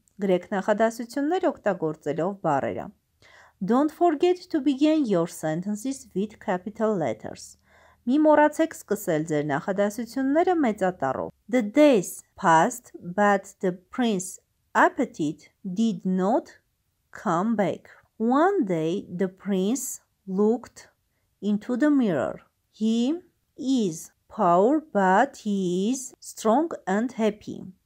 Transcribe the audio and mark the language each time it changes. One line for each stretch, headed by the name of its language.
Armenian: Գրեք նախադասություններ օգտագործելով բառերը.
English: Don't forget to begin your sentences with capital letters.
Armenian: Մի մոռացեք սկսել ձեր նախադասությունները մեծատառով.
English: The days passed, but the prince's appetite did not come back. One day the prince looked into the mirror. He is poor, but he is strong and happy.